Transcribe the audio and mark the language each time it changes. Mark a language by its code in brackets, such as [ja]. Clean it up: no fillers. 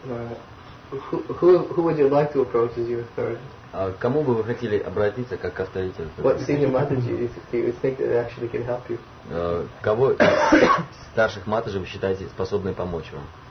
[en] Who would you like to approach as your authority? [ru] Кому бы вы хотели обратиться как авторитет? [en] What senior matriji do you think that actually can help you? [ru] Кого старших матриджи вы считаете способной помочь вам?